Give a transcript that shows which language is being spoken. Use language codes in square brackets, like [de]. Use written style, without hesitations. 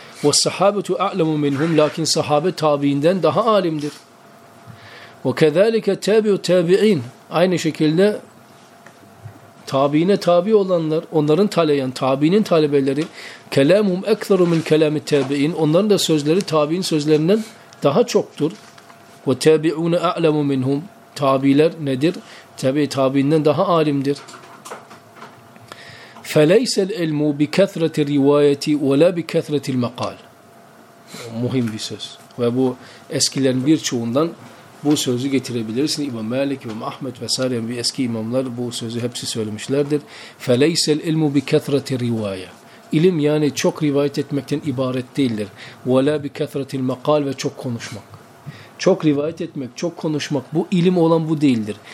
[ar] Ve sahabetu a'lemu minhum, [tr] lakin sahabe tabi'inden daha alimdir. [ar] Ve kezalike tabi'u tabi'in, [tr] aynı şekilde tabi'ine tabi olanlar, onların talebeleri, tabi'inin talebeleri, [ar] kelamuhum ektharu min kelami tabi'in, [tr] onların da sözleri tabi'in sözlerinden daha çoktur. [ar] وَتَابِعُونَ أَعْلَمُ مِنْهُمْ [tr] Tabiler nedir? Tabiinden daha alimdir. [ar] فَلَيْسَ الْاِلْمُ بِكَثْرَةِ الْرِوَايَةِ وَلَا بِكَثْرَةِ الْمَقَالِ [tr] Muhim bir söz. Ve bu eskilerin birçoğundan bu sözü getirebilirsin. İmam Malik, İmam Ahmet vesaire bir eski imamlar bu sözü hepsi söylemişlerdir. [ar] فَلَيْسَ الْاِلْمُ بِكَثْرَةِ الْرِوَايَةِ [tr] İlim yani çok rivayet etmekten ibaret değildir. [ar] وَلَا بِكَثْرَةِ الْمَقَالِ [tr] Ve çok konuşmak. Çok rivayet etmek, çok konuşmak, bu ilim olan bu değildir.